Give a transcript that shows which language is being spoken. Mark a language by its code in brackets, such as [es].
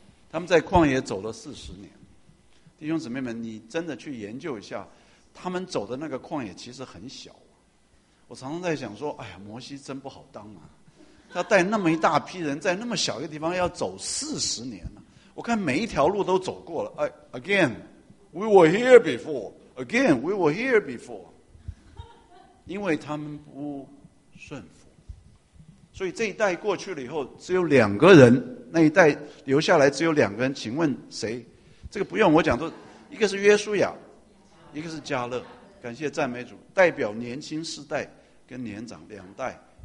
[zh] 他们在旷野走了40年。弟兄姊妹们，你真的去研究一下，他们走的那个旷野其实很小。我常常在想说，哎呀，摩西真不好当啊，他带那么一大批人在那么小一个地方要走40年呢。我看每一条路都走过了。 [en] 哎 ，again， we were here before， again， we were here before。 [zh] 因为他们不顺服，所以这一代过去了以后，只有两个人，那一代留下来只有两个人，请问谁？这个不用我讲，都一个是约书亚，一个是加勒。感谢赞美主，代表年轻世代跟年长两代。